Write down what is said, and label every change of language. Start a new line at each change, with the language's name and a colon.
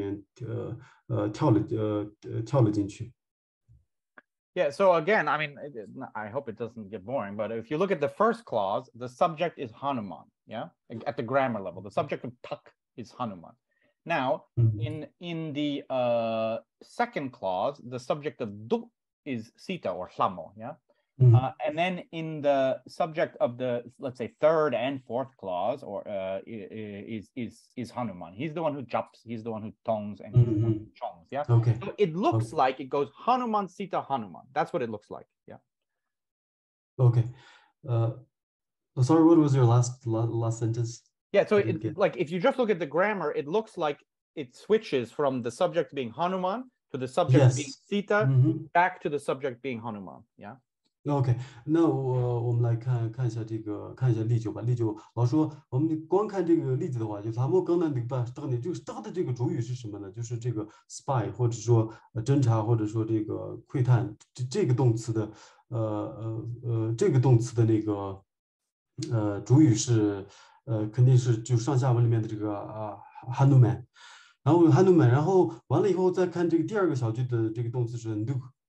Chinese: 他在这王后在哪里？然后最后发现这个王后被，然后王后是在关在这个关在这个有军队把守的这个地方，开到只有军队把守的这个城堡里面，然后他那边的，然后他就轻手轻脚，蹑手蹑脚的从这个窗户里面跳了进去。
English: Yeah, so again, I mean, I hope it doesn't get boring, but if you look at the first clause, the subject is Hanuman, yeah? At the grammar level, the subject of tuck is Hanuman. Now, in the second clause, the subject of du is Sita or Hlamo, yeah? And then in the subject of the, let's say, third and fourth clause or is Hanuman. He's the one who jumps, he's the one who tongs and chongs, yeah? Okay. So it looks like it goes Hanuman, Sita, Hanuman. That's what it looks like, yeah. Okay. Sorry, what was your last sentence? Yeah, so like if you just look at the grammar, it looks like it switches from the subject being Hanuman to the subject yes. being Sita back to the subject being Hanuman, yeah?
Chinese: OK， 那我们来看一下例句吧。例句，老师，我们光看这个例子的话，就栏目刚才那个吧，到底就是它的这个主语是什么呢？就是这个 spy 或者说侦查或者说这个窥探这个动词的主语是肯定是就上下文里面的这个Hanuman， 然后 Hanuman， 然后完了以后再看这个第二个小句的这个动词是 look。